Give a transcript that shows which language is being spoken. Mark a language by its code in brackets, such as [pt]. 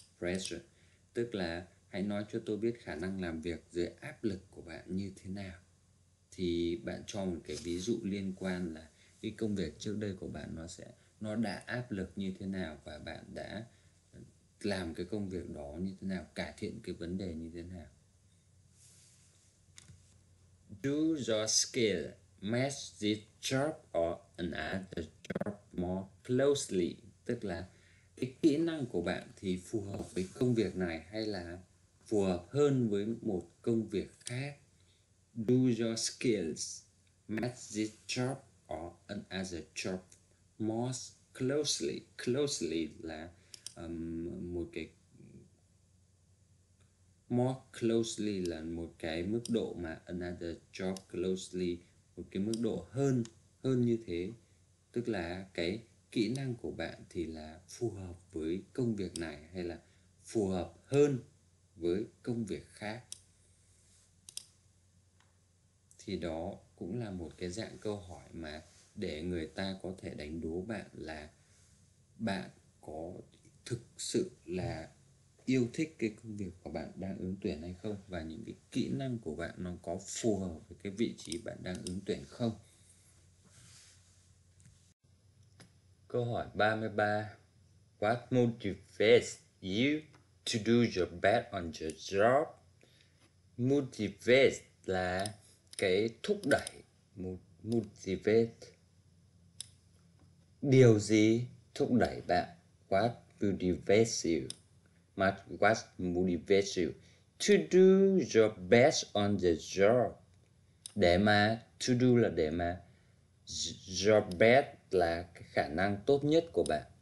[vi] pressure, tức là hãy nói cho tôi biết khả năng làm việc dưới áp lực của bạn như thế nào. Thì bạn cho một cái ví dụ liên quan là cái công việc trước đây của bạn nó đã áp lực như thế nào và bạn đã làm cái công việc đó như thế nào, cải thiện cái vấn đề như thế nào. [en] Do your skill match this job or another job more closely? [vi] Tức là cái kỹ năng của bạn thì phù hợp với công việc này hay là phù hợp hơn với một công việc khác? [en] Do your skills match this job or another job more closely? [vi] Closely là một cái more closely là một cái mức độ mà [en] another job closely, [vi] một cái mức độ hơn hơn như thế, tức là cái kỹ năng của bạn thì là phù hợp với công việc này hay là phù hợp hơn với công việc khác. Thì đó cũng là một cái dạng câu hỏi mà để người ta có thể đánh đố bạn là bạn có thực sự là yêu thích cái công việc của bạn đang ứng tuyển hay không, và những cái kỹ năng của bạn nó có phù hợp với cái vị trí bạn đang ứng tuyển không. Câu hỏi 33. [en] What motivates you to do your best on your job? [vi] Motivate là cái thúc đẩy. Motivate. Điều gì thúc đẩy bạn? [en] What motivates you? What motivates you to do your best on the job? [vi] Để mà, to do là để mà, your best là cái khả năng tốt nhất của bạn.